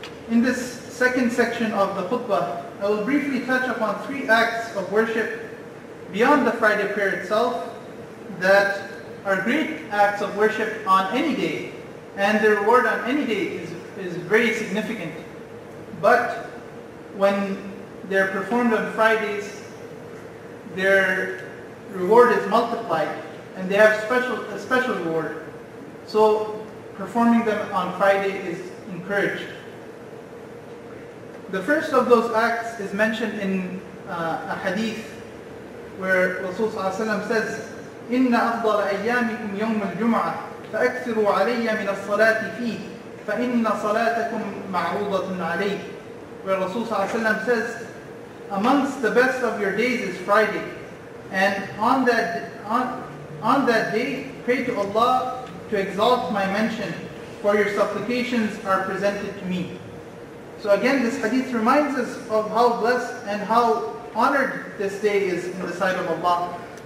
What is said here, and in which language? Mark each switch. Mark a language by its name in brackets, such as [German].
[English] In this second section of the khutbah, I will briefly touch upon three acts of worship beyond the Friday prayer itself that are great acts of worship on any day, and the reward on any day is very significant. But when they're performed on Fridays, their reward is multiplied, and they have a special reward. So performing them on Friday is encouraged. The first of those acts is mentioned in a hadith where Rasulullah says, [Arabic] إِنَّ أَفْضَلَ أَيَّامِكُمْ يَوْمُ الْجُمْعَةِ فَأَكْثِرُوا عَلَيَّ مِنَ الصَّلَاةِ فِيهِ فَإِنَّ صَلَاتَكُمْ مَعْرُوضَةٌ عَلَيْهِ. [English] Where Rasulullah says, amongst the best of your days is Friday. And on that day, pray to Allah to exalt my mention, for your supplications are presented to me. So again, this hadith reminds us of how blessed and how honored this day is in the sight of Allah.